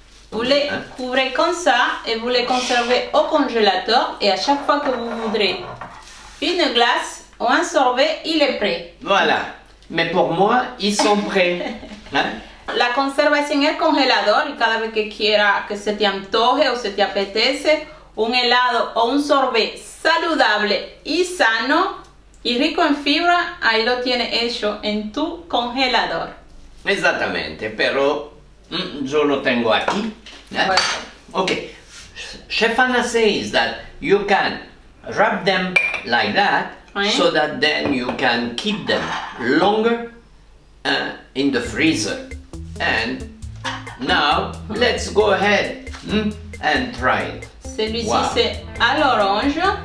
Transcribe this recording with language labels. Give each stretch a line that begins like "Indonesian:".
French: Vous les couvrez comme ça et vous les conservez au congélateur. Et à chaque fois que vous voudrez une glace ou un sorbet, il est prêt. Voilà. Mais pour moi, ils sont prêts. Hein? La conservation est congélateur.
Spanish: Et cada vez que quiera que se te antoje ou se te apetece, un helado o un sorbet saludable y sano y rico en fibra, ahí lo tienes hecho en tu congelador. Exactamente, pero yo lo tengo aquí. Bueno.
English: Ok, Chef Anna says that you can wrap them like that, ¿eh? So that then you can keep them longer in the freezer. And now let's go ahead and try it.
French: Celui-ci, wow, c'est à l'orange.